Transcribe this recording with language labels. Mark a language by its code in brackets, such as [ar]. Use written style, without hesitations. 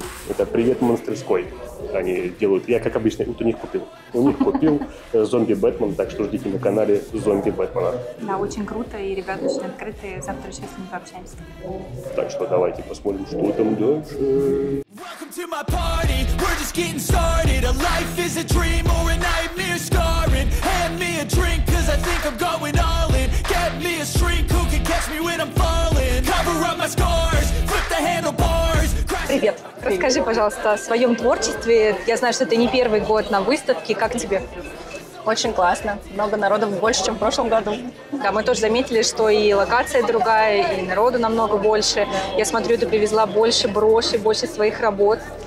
[ru] Это «Привет монстерской». Они делают. Я, как обычно, вот у них купил «Зомби Бэтмен», так что ждите на канале «Зомби Бэтмена». Да, очень круто, и ребята очень открытые. Завтра сейчас мы пообщаемся. Так что давайте посмотрим, что там дальше. [en] Welcome to my party, we're just getting started. A life is a dream or a nightmare scarring. Hand me a drink, cause I think I'm going all in. Get me a shrink, who can catch me when I'm falling. Cover up my scars, flip the handlebars. [ru] Привет. Привет. Расскажи, пожалуйста, о своем творчестве. Я знаю, что ты не первый год на выставке. Как тебе? Очень классно. Много народу, больше, чем в прошлом году. Да, мы тоже заметили, что и локация другая, и народу намного больше. Я смотрю, ты привезла больше брошей, больше своих работ.